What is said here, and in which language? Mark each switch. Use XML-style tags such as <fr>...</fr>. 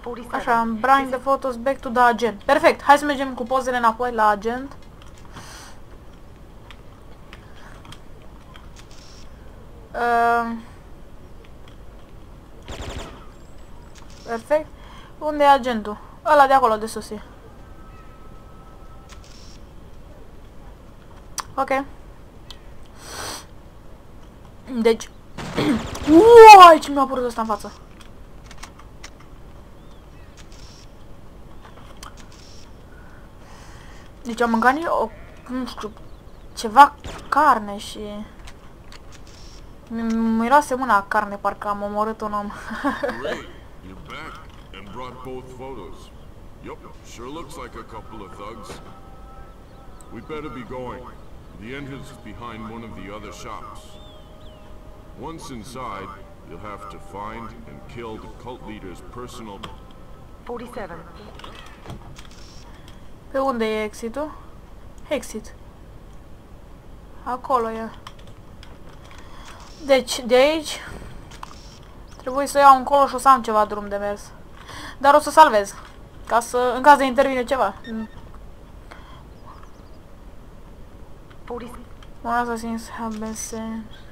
<en>Așa, bring the photos back to the agent.</en> <ro>Perfect, hai să mergem cu pozele înapoi la agent. Perfect. Unde e agentul? Ăla de acolo, de sus e. Ok. Deci... Uaaa, ce mi-a apărut ăsta în față. Deci am mâncat o, nu știu, ceva carne și... Miroase mâna carne, parcă am omorât un om.</ro> <en>Ray, you're back and brought both photos. Yup, sure looks like a couple of thugs. We better be going. The entrance is behind one of the other shops. Once inside, you'll have to find and kill the cult leader's personal... 47.</en> <ro>Pe unde e exitul? Exit. Acolo e. Deci, de aici... Trebuie să iau încolo și o să am ceva drum de mers. Dar o să salvez. Ca să... În caz de intervine ceva.</ro> <en>One assassins have been sent.</en>